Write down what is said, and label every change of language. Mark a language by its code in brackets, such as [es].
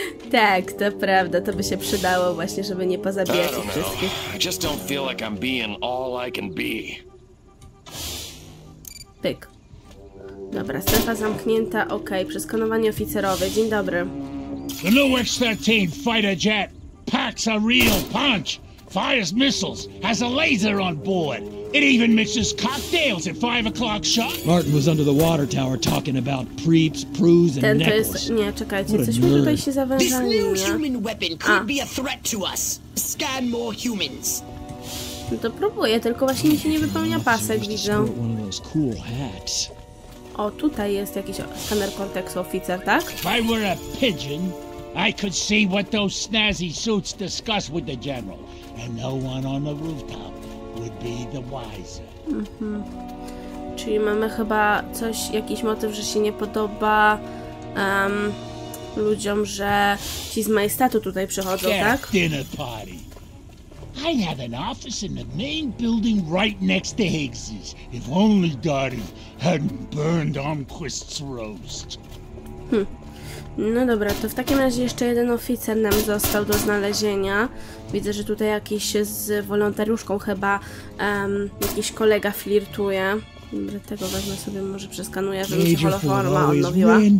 [pl] Tak, to prawda, to by się przydało właśnie, żeby nie pozabijać ich wszystkich. [en] I just don't feel like I'm being all I can be. [pl] Pyk. Dobra, strefa zamknięta, okej, okay, przeskanowanie oficerowe, dzień dobry. [en] The new X-13 fighter jet packs a real punch, fires missiles, has a laser on board. It even mixes cocktails at 5 o'clock sharp. Martin was under the water tower talking about preeps, prues, and necklaces. [pl] Nie, czekajcie, coś mi tutaj się zawężało. [en] This new human weapon could be a threat to us. Scan more humans. [pl] No to próbuję, tylko właśnie mi się nie wypełnia pasek, widzę. [en] One of those cool hats. [pl] O, tutaj jest jakiś skaner korteksu, oficer, tak? [en] If I were a pigeon, I could see what those snazzy suits discuss with the general. And no one on the rooftop would be the wiser. [pl] Czyli mamy chyba coś, jakiś motyw, że się nie podoba ludziom, że ci z majestatu tutaj przychodzą, tak? [en] Dinner party. I have an office in the main building right next to Higgs's. If only Dottie hadn't burned Armquist's roast. [pl] No dobra, to w takim razie jeszcze jeden oficer nam został do znalezienia. Widzę, że tutaj jakiś z wolontariuszką chyba, jakiś kolega flirtuje. Dobra, tego wezmę sobie, może przeskanuję, żeby mi się holoforma odnowiła.